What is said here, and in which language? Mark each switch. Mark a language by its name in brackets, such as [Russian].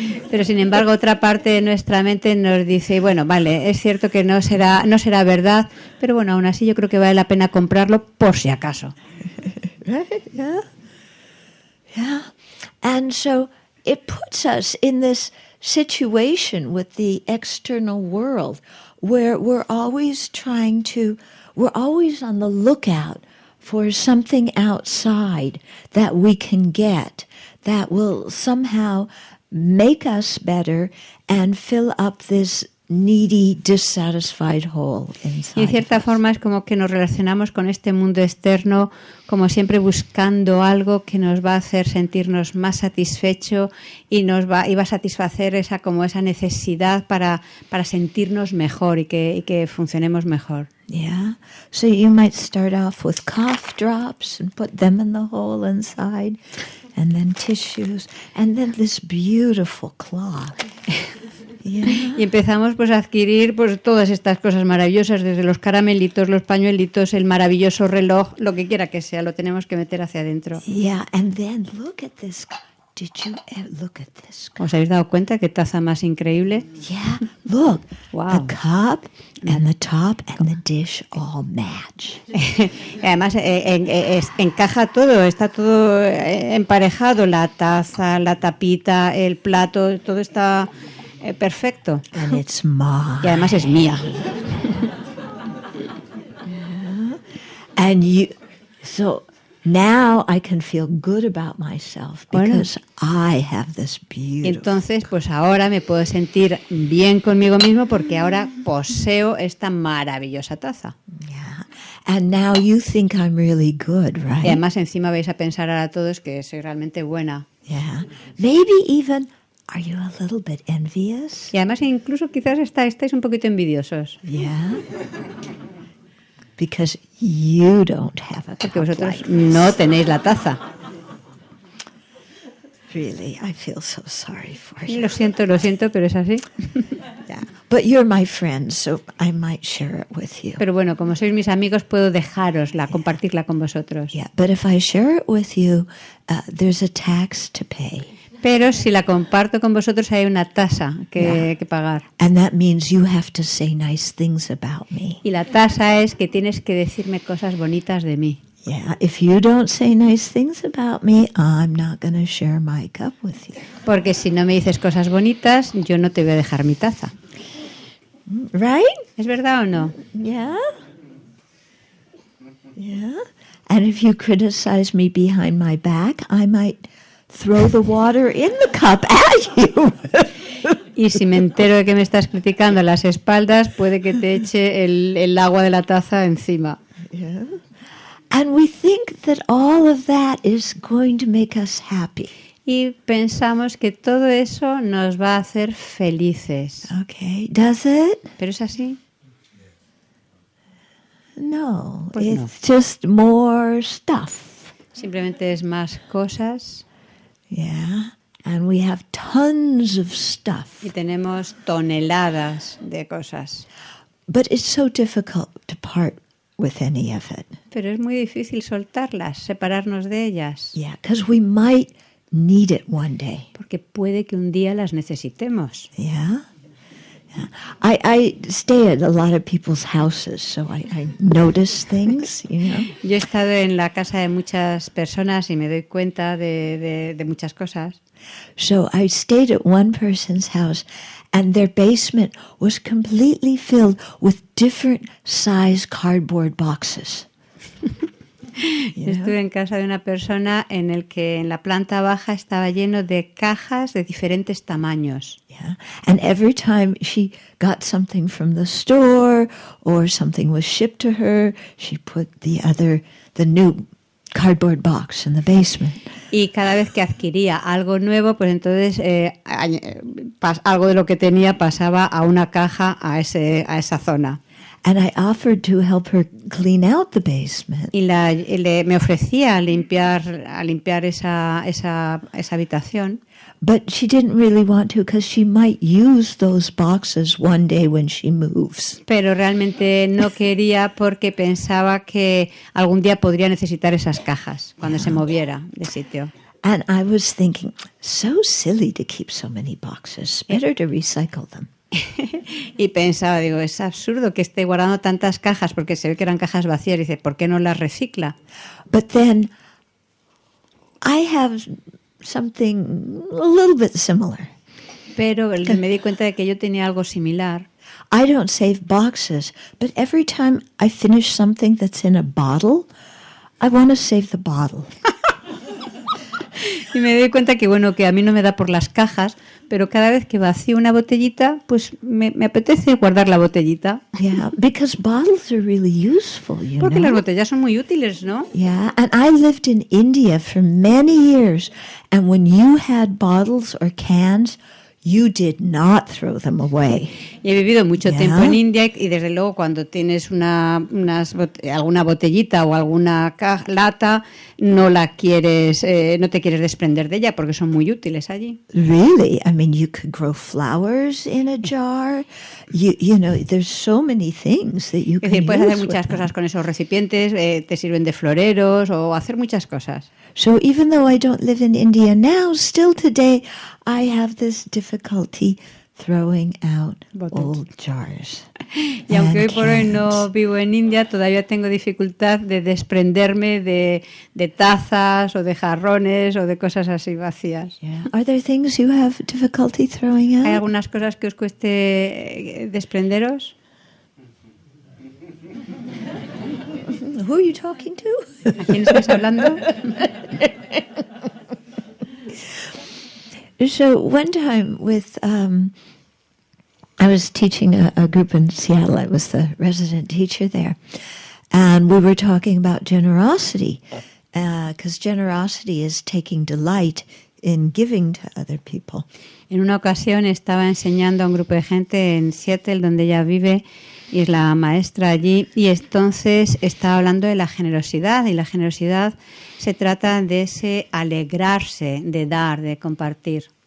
[Spanish] Pero sin embargo, otra parte de nuestra mente nos dice, bueno, vale, es cierto que no será verdad, pero bueno, aún así yo creo que vale la pena comprarlo por si acaso. [English] Right? Yeah. Yeah. And so it puts us in this situation with the external world, where we're always on the lookout for something outside that we can get that will somehow make us better and fill up this needy, dissatisfied hole inside. [Spanish] Y de cierta forma es como que nos relacionamos con este mundo externo como siempre buscando algo que nos va a hacer sentirnos más satisfecho y va a satisfacer esa necesidad para sentirnos mejor y que funcionemos mejor. [English] Yeah. So you might start off with cough drops and put them in the hole inside, and then tissues, and then this beautiful cloth. [Spanish] Y empezamos pues a adquirir pues todas estas cosas maravillosas, desde los caramelitos, los pañuelitos, el maravilloso reloj, lo que quiera que sea, lo tenemos que meter hacia adentro. [English] Yeah, and then look at this. Did you look at this cup? [Spanish] ¿Os habéis dado cuenta qué taza más increíble? [English] Yeah, look. Wow. The cup and the top and the dish all match. [Spanish] Además, encaja todo, está todo emparejado, la taza, la tapita, el plato, todo está perfecto. [English] And it's mine. [Spanish] Y además es mía. [English] And you, so now I can feel good about myself because I have this beautiful. [Spanish] Entonces, pues ahora me puedo sentir bien conmigo mismo porque ahora poseo esta maravillosa taza. [English] Yeah. And now you think I'm really good, right? [Spanish] Y además encima vais a pensar ahora todos que soy realmente buena. [English] Yeah. Maybe even are you a little bit envious? [Spanish] Y además incluso quizás estáis un poquito envidiosos. [English] Yeah. Because you don't have a cup. [Spanish] Porque vosotros [English] like this. [Spanish] No tenéis la taza. [English] Really, I feel so sorry for you. [Spanish] Lo siento, pero es así. [English] Yeah. But you're my friend, so I might share it with you. [Spanish] Pero bueno, como sois mis amigos, puedo dejarosla, [English] yeah. [Spanish] Compartirla con vosotros. [English] Yeah. But if I share it with you, there's a tax to pay. [Spanish] Pero si la comparto con vosotros hay una tasa que, [English] yeah, [Spanish] que pagar. [English] And that means you have to say nice things about me. [Spanish] Y la tasa es que tienes que decirme cosas bonitas de mí. [English] Yeah, if you don't say nice things about me, I'm not going to share my cup with you. [Spanish] Porque si no me dices cosas bonitas, yo no te voy a dejar mi taza. [English] Right? [Spanish] ¿Es verdad o no? [English] Yeah. Yeah. And if you criticize me behind my back, I might throw the water in the cup at you. [Spanish] Y si me entero de que me estás criticando a las espaldas, puede que te eche el agua de la taza encima. [English] Yeah. And we think that all of that is going to make us happy. [Spanish] Y pensamos que todo eso nos va a hacer felices. [English] Okay. Does it? [Spanish] ¿Pero es así? [English] No. [Spanish] Pues [English] it's no. Just more stuff. [Spanish] Simplemente es más cosas. [English] Yeah, and we have tons of stuff. [Spanish] Y tenemos toneladas de cosas. [English] But it's so difficult to part with any of it. [Spanish] Pero es muy difícil soltarlas, separarnos de ellas. [English] Yeah, because we might need it one day. [Spanish] Porque puede que un día las necesitemos. [English] Yeah. I stay at a lot of people's houses, so I notice things, you know. [Spanish] Yo he estado en la casa de muchas personas y me doy cuenta de muchas cosas. [English] So I stayed at one person's house and their basement was completely filled with different size cardboard boxes. Yeah. [Spanish] Estuve en casa de una persona en el que en la planta baja estaba lleno de cajas de diferentes tamaños. [English] Yeah. And every time she got something from the store or something was shipped to her, she put the new cardboard box in the basement. [Spanish] Y cada vez que adquiría algo nuevo, pues entonces algo de lo que tenía pasaba a una caja a esa zona. [English] And I offered to help her clean out the basement. [Spanish] Y me ofrecía a limpiar esa habitación. [English] But she didn't really want to because she might use those boxes one day when she moves. [Spanish] Pero realmente no quería porque pensaba que algún día podría necesitar esas cajas cuando, [English] yeah, [Spanish] se moviera de sitio. [English] And I was thinking, so silly to keep so many boxes. Better to recycle them. [Spanish] Y pensaba, digo, es absurdo que esté guardando tantas cajas porque se ve que eran cajas vacías. Y dice, ¿por qué no las recicla? [English] But then I have something a little bit similar. [Spanish] Pero me di cuenta de que yo tenía algo similar. [English] I don't save boxes, but every time I finish something that's in a bottle, I want to save the bottle. [Spanish] Y me doy cuenta que, bueno, que a mí no me da por las cajas, pero cada vez que vacío una botellita, pues me apetece guardar la botellita. [English] Yeah, because bottles are really useful, you [Spanish] Porque [English] know? [Spanish] Las botellas son muy útiles, ¿no? [English] Yeah, and I lived in India for many years, and when you had bottles or cans, You did not throw them away. [Spanish] He vivido mucho tiempo en India y desde luego cuando tienes alguna botellita o alguna lata, no la quieres, no te quieres desprender de ella porque son muy útiles allí. [English] Really? I mean, you could grow flowers in a jar. You know, there's so many things that you can use. [Spanish] Puedes hacer muchas cosas con esos recipientes, te sirven de floreros o hacer muchas cosas. [English] So even though I don't live in India now, still today I have this difficulty throwing out old jars. [Spanish] Y aunque hoy por hoy no vivo en India, todavía tengo dificultad de desprenderme de tazas o de jarrones o de cosas así vacías. [English] Yeah. Are there things you have difficulty throwing out? [Spanish] ¿Hay algunas cosas que os cueste desprenderos? [English] Who are you talking to? [Spanish] ¿A quién estás hablando? [English] So one time with I was teaching a group in Seattle. I was the resident teacher there, and we were talking about generosity, because generosity is taking delight in giving to other people. [Spanish] En una ocasión estaba enseñando a un grupo de gente en Seattle, donde ella vive y es la maestra allí, y entonces estaba hablando de la generosidad, y la generosidad se trata de ese alegrarse, de dar, de compartir.